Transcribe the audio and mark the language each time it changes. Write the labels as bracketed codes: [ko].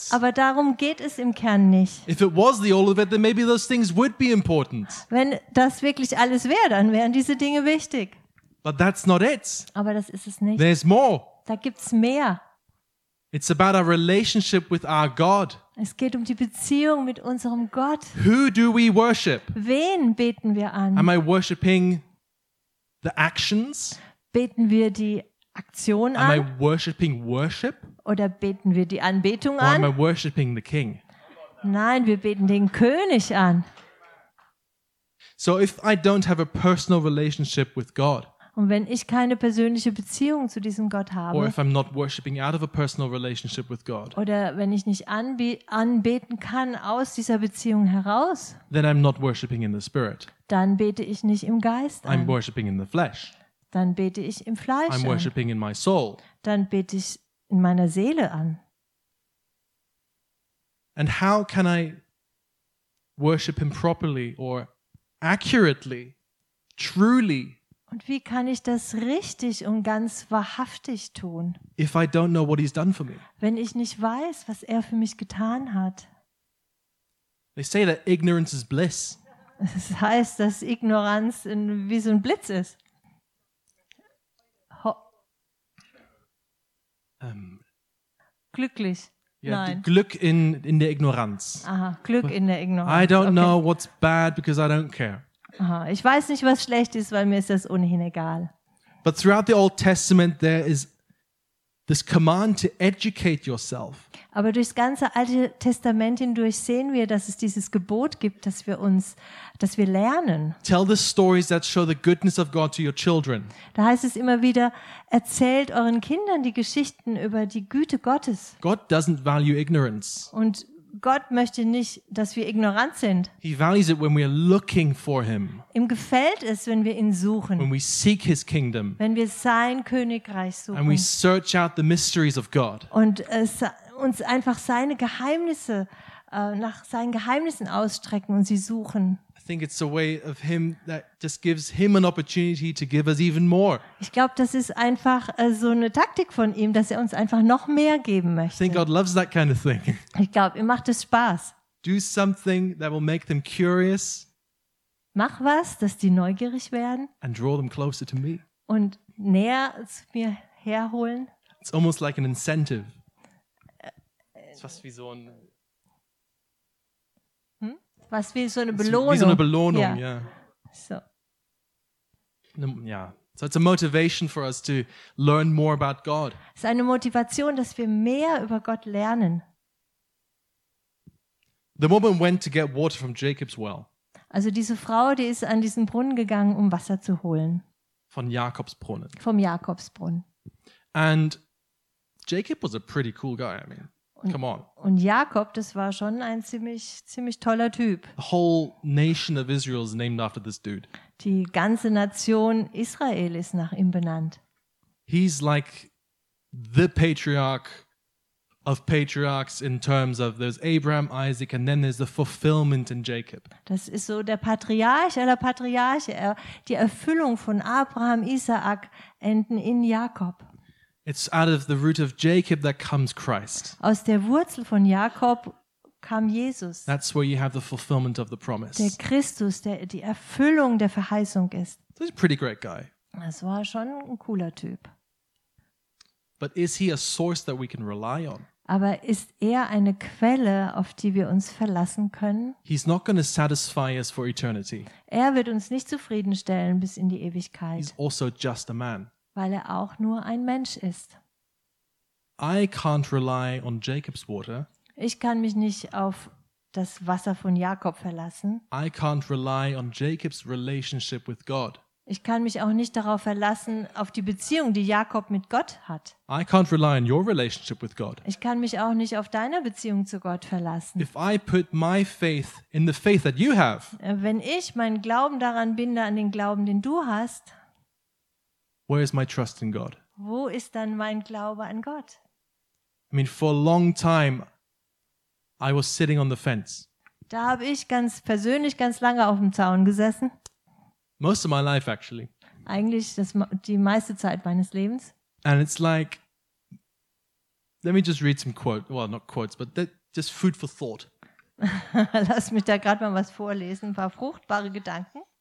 [de] Aber darum geht es im Kern nicht. [en] If it was the all of it, then maybe those things would be important. [de] Wenn das wirklich alles wäre, dann wären diese Dinge wichtig. [en] But that's not it. [de] Aber das ist es nicht. [en] There's more. [de] Da gibt's mehr. [en] It's about our relationship with our God. [de] Es geht um die Beziehung mit unserem Gott. [en] Who do we worship? [de] Wen beten wir an? [en] Am I worshiping the actions? [de] Beten wir die Aktion an? [en] Am I worshiping worship? [de] Oder beten wir die Anbetung an? [en] Or am I worshiping the King? [de] Nein, wir beten den König an. [en] So if I don't have a personal relationship with God, [de] und wenn ich keine persönliche Beziehung zu diesem Gott habe, [en] or if I'm not worshiping out of a personal relationship with God, [de] oder wenn ich nicht anbeten kann aus dieser Beziehung heraus, [en] then I'm not worshiping in the Spirit. [de] Dann bete ich nicht im Geist an. [en] I'm worshiping in the flesh. [de] Dann bete ich im Fleisch [en] I'm [de] an. [en] Worshiping in my soul. [de] Dann bete ich in meiner Seele an. [en] And how can I worship him properly or accurately, truly? [de] Und wie kann ich das richtig und ganz wahrhaftig tun? [en] If I don't know what he's done for me. [de] Wenn ich nicht weiß, was er für mich getan hat. [en] They say that ignorance is bliss. [de] Das heißt, dass Ignoranz wie so ein Blitz ist. Glücklich. Yeah, nein. Glück in der Ignoranz. Aha, Glück in der Ignoranz. [en] I don't know what's bad because I don't care. Aha. [de] Ich weiß nicht, was schlecht ist, weil mir ist das ohnehin egal. [en] But throughout the Old Testament there is this command to educate yourself. [de] Aber durchs ganze Alte Testament hindurch sehen wir, dass es dieses Gebot gibt, dass wir lernen. [en] Tell the stories that show the goodness of God to your children. [de] Da heißt es immer wieder, erzählt euren Kindern die Geschichten über die Güte Gottes. [en] God doesn't value ignorance. [de] Und Gott möchte nicht, dass wir ignorant sind. [en] He values it when we are looking for him. [de] Ihm gefällt es, wenn wir ihn suchen. [en] When we seek his kingdom. [de] Wenn wir sein Königreich suchen. [en] And we search out the mysteries of God. [de] Und uns einfach seine Geheimnisse nach seinen Geheimnissen ausstrecken und sie suchen. [en] I think it's a way of him that just gives him an opportunity to give us even more. [de] Ich glaube, das ist einfach so eine Taktik von ihm, dass er uns einfach noch mehr geben möchte. [en] I think God loves that kind of thing. [de] Ich glaube, ihm macht es Spaß. [en] Do something that will make them curious. [de] Mach was, dass die neugierig werden. [en] And draw them closer to me. [de] Und näher zu mir herholen. [en] It's almost like an incentive. [de] Es ist fast wie so ein was wie so eine Belohnung. Wie so eine Belohnung, ja. So. Ja. [en] So it's a motivation for us to learn more about God. [de] Es ist eine Motivation, dass wir mehr über Gott lernen. [en] The woman went to get water from Jacob's well. [de] Also diese Frau, die ist an diesen Brunnen gegangen, um Wasser zu holen. Von Jakobs Brunnen. Vom Jakobsbrunnen. [en] And Jacob was a pretty cool guy, I mean. Come on. [de] Und Jakob, das war schon ein ziemlich toller Typ. [en] The whole nation of Israel is named after this dude. [de] Die ganze Nation Israel ist nach ihm benannt. [en] He's like the patriarch of patriarchs in terms of there's Abraham, Isaac and then there's the fulfillment in Jacob. [de] Das ist so der Patriarch aller Patriarche, die Erfüllung von Abraham, Isaak enden in Jakob. [en] It's out of the root of Jacob that comes Christ. [de] Aus der Wurzel von Jakob kam Jesus. [en] That's where you have the fulfillment of the promise. [de] Der Christus, der die Erfüllung der Verheißung ist. [en] So he's a pretty great guy. [de] Das war schon ein cooler Typ. [en] But is he a source that we can rely on? [de] Aber ist er eine Quelle, auf die wir uns verlassen können? [en] He's not going to satisfy us for eternity. [de] Er wird uns nicht zufriedenstellen bis in die Ewigkeit. [en] He's also just a man. [de] Weil er auch nur ein Mensch ist. [en] I can't rely on Jacob's water. [de] Ich kann mich nicht auf das Wasser von Jakob verlassen. [en] I can't rely on Jacob's relationship with God. [de] Ich kann mich auch nicht darauf verlassen, auf die Beziehung, die Jakob mit Gott hat. [en] I can't rely on your relationship with God. [de] Ich kann mich auch nicht auf deine Beziehung zu Gott verlassen. [en] If I put my faith in the faith that you have, [de] wenn ich meinen Glauben daran binde, an den Glauben, den du hast, [en] where is my trust in God? [de] Wo ist dann mein Glaube an Gott? [en] I mean, for a long time, I was sitting on the fence. [de] Da habe ich ganz persönlich ganz lange auf dem Zaun gesessen. [en] Most of my life, actually. [de] Eigentlich das, die meiste Zeit meines Lebens. [en] And it's like, let me just read some quotes. Well, not quotes, but just food for thought. [de] Lass mich da gerade mal was vorlesen, ein paar fruchtbare Gedanken.